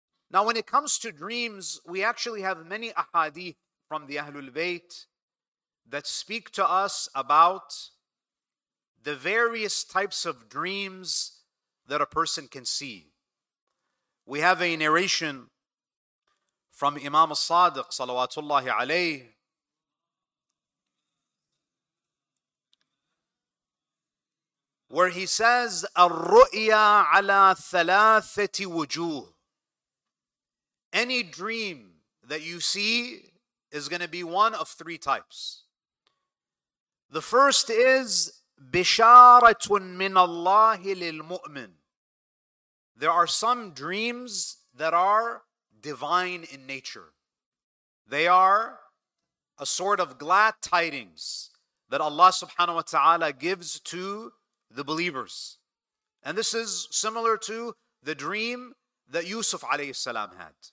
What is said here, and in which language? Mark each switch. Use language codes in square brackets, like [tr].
[en] Now, when it comes to dreams, we actually have many ahadith from the Ahlul Bayt that speak to us about the various types of dreams that a person can see. We have a narration from Imam al-Sadiq, salawatullahi alayhi. Where he says, [ar] الرؤيا على ثلاثة وجوه. [en] Any dream that you see is going to be one of three types. The first is, [ar] بشارة من الله للمؤمن. [en] There are some dreams that are divine in nature. They are a sort of glad tidings that Allah subhanahu wa ta'ala gives to the believers. And this is similar to the dream that Yusuf alayhi salam had.